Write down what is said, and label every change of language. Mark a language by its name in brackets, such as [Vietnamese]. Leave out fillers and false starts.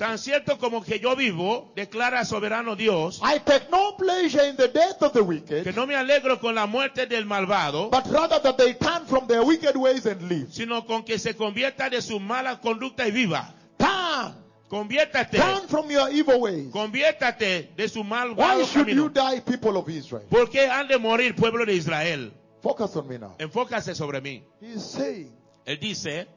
[Spanish] Tan cierto como que yo vivo, declara soberano Dios. [English] I take no pleasure in the death of the wicked. [Spanish] Que no me alegro con la muerte del malvado. [English] But rather that they turn from their wicked ways and live. [Spanish] Sino con que se convierta de su mala conducta y viva. [English] Turn. [Spanish] Conviértate. [English] Turn from your evil ways. [Spanish] Conviértate de su mal [English] camino. Why should [Spanish] camino. [English] You die, people of Israel? [Spanish] ¿Por qué han de morir, pueblo de Israel? [English] Focus on me now. [Spanish] Enfócase sobre mí. [English] He is saying, [Spanish] él dice,